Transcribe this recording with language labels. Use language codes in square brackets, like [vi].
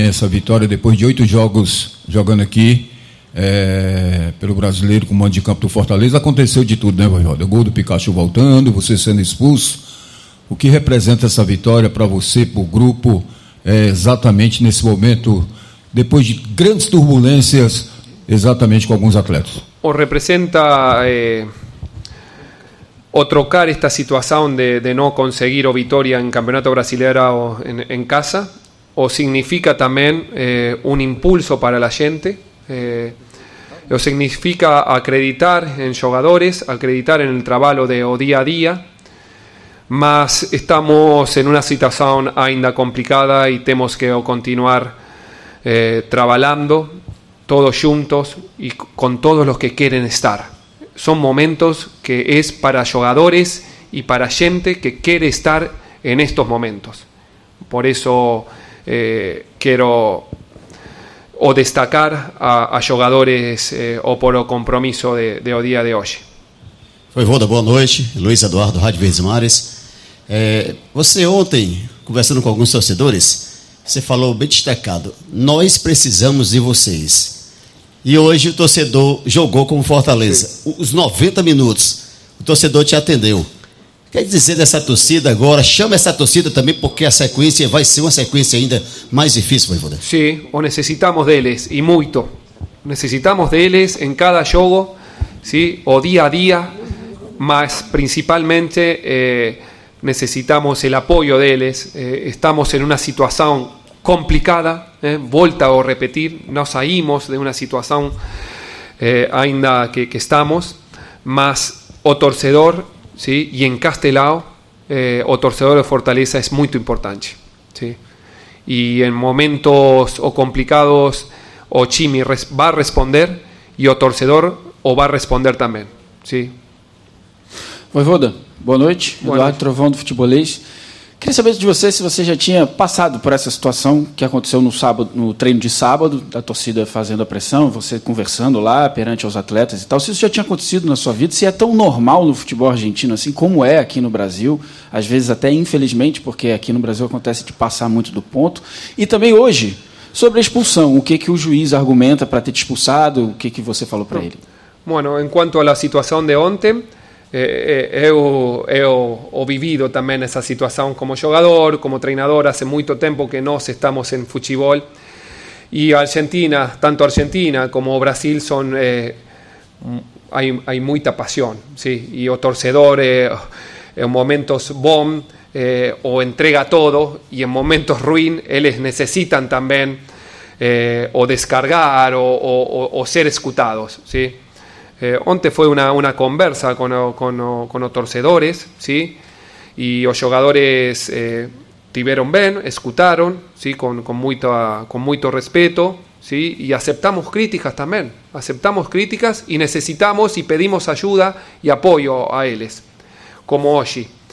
[pt] Essa vitória, depois de 8 jogos jogando aqui pelo brasileiro com o mando de campo do Fortaleza, aconteceu de tudo, né, Vojvoda? O gol do Pikachu voltando, você sendo expulso. O que representa essa vitória para você, para o grupo, exatamente nesse momento, depois de grandes turbulências, exatamente com alguns atletas? O representa... [es] O trocar esta situación de no conseguir o victoria en campeonato brasileiro en casa, o significa también un impulso para la gente, o significa acreditar en jugadores, acreditar en el trabajo de o día a día, mas estamos en una situación ainda complicada y tenemos que continuar trabajando todos juntos y con todos los que quieren estar. Son momentos que es para jugadores y para gente que quiere estar en estos momentos. Por eso quiero o destacar a jugadores o por el compromiso de o día de hoy. [pt] Vojvoda, boa noite. Luis Eduardo, Rádio Verdes Mares. Você ontem, conversando com alguns torcedores, você falou bem destacado: nós precisamos de vocês. E hoje o torcedor jogou como Fortaleza. Sim. Os 90 minutos, o torcedor te atendeu. Quer dizer dessa torcida agora, chama essa torcida também, porque a sequência vai ser uma sequência ainda mais difícil, Vojvoda. Sim, o necessitamos deles, e muito. Necessitamos deles em cada jogo, sim? O dia a dia, mas principalmente necessitamos o apoio deles. Estamos em uma situação complicada, volta a repetir, [es] no salimos de una situación [pt] ainda que estamos, mas o torcedor, ¿sí? [es] Y en Castelao, o torcedor de Fortaleza es muy importante, ¿sí? Y en momentos o complicados, o Chimi va a responder, y o torcedor o va a responder también, ¿sí? [pt] Vojvoda, [es] buenas noches, [pt] Eduardo Trovão do Futebolês. Queria saber de você se você já tinha passado por essa situação que aconteceu no sábado, no treino de sábado, da torcida fazendo a pressão, você conversando lá perante aos atletas e tal. Se isso já tinha acontecido na sua vida, se é tão normal no futebol argentino assim, como é aqui no Brasil, às vezes até infelizmente, porque aqui no Brasil acontece de passar muito do ponto. E também hoje, sobre a expulsão, o que o juiz argumenta para ter te expulsado, o que você falou para ele? [es] Bueno, en cuanto a la situación de [pt] ontem, eu vivido também essa situação como jogador, como treinador. Há muito tempo que nós estamos em futebol, e a Argentina, tanto a Argentina como o Brasil, são há muita paixão, sim? E o torcedor [es] en momentos bom o entrega todo, y en momentos ruin, ellos necesitan también o descargar o ser escutados, ¿sí? [pt] Ontem foi uma conversa com os torcedores, sim? E os jogadores tiveram bem, escutaram, sim? com muito respeito, sim? E aceptamos críticas também. Aceptamos críticas e necessitamos e pedimos ajuda e apoio a eles, como hoje.